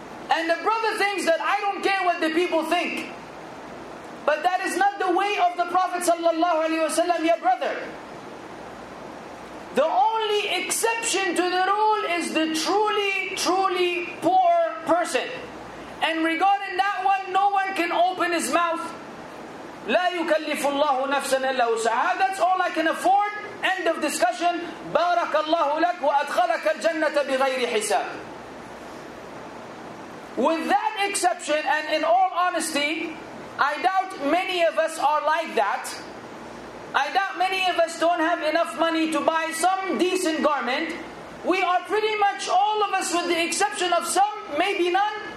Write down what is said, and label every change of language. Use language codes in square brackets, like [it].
[en] And the brother thinks that I don't care what the people think. But that is not the way of the Prophet sallallahu alaihi wasallam, ya brother. The only exception to the rule is the truly, truly poor person. And regarding that one, no one can open his mouth. [ar] لا يكلف الله نفسا إلا وسعها. [en] That's all I can afford. End of discussion. [ar] بارك الله لك وأدخلك الجنة بغير حساب. [en] With that exception, and in all honesty, I doubt many of us are like that. I doubt many of us don't have enough money to buy some decent garment. We are pretty much all of us, with the exception of some, maybe none.